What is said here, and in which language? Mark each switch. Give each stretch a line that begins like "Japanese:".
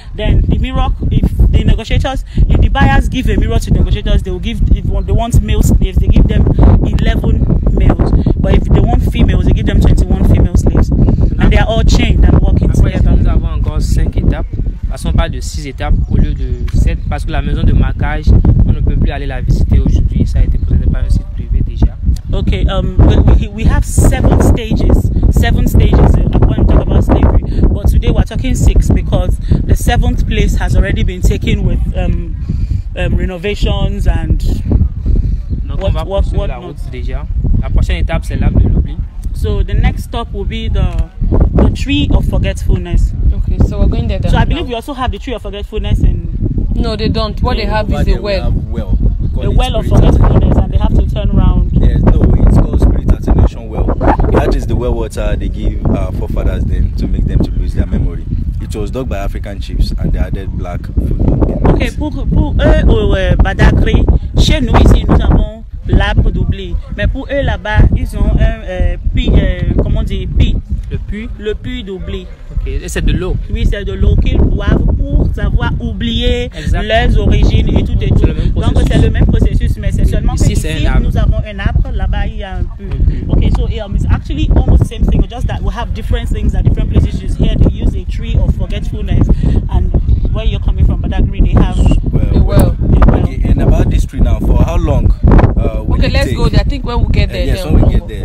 English: Then the mirror, if the buyers give a mirror to negotiators, they will give, if they want male slaves, they give them 11 males. But if they want females, they give them 21 female slaves. And they are all chained and working together.
French: Nous avons encore 5 étapes. Parce qu'on parle de 6 étapes au lieu de 7. Parce que la maison de marquage, on ne peut plus aller la visiter aujourd'hui. Ça a été présenté par un site privé déjà.
English: Okay, we have 7 stages when we talk about slavery, but today we're talking 6 because the 7th place has already been taken with renovations and so the next stop will be the tree of forgetfulness. Okay, so we're going there. So I believe you also have the tree of forgetfulness in... No, they don't. What they have is a well of forgetfulness, and they have to turn around. Yes, no, it's called spirit at the ancient well. That is the well water they give our forefathers then to make them to lose their memory. It was dug by African chiefs and they added black food.
French: Okay, pour eux au Badagry, chez nous ici nous avons l'arbre d'oubli. Mais pour eux là-bas, ils ont un puits, comment dire, puits. Le puits d'oubli. Okay. Et c'est de l'eau. Oui, c'est de l'eau qu'ils boivent pour savoir oublier leurs origines et tout et tout. Donc c'est le même processus, mais c'est seulement ici, que ici nous avons un arbre, là-bas il y a un puits.
English: Okay, so it's actually almost the same thing, just that we have different things at different places. Just here they use a tree of forgetfulness, and where you're coming from, Badagry, they have well. Okay, and about this tree now, for how long? Okay, let's go. I think when we get there, yes, when we get there.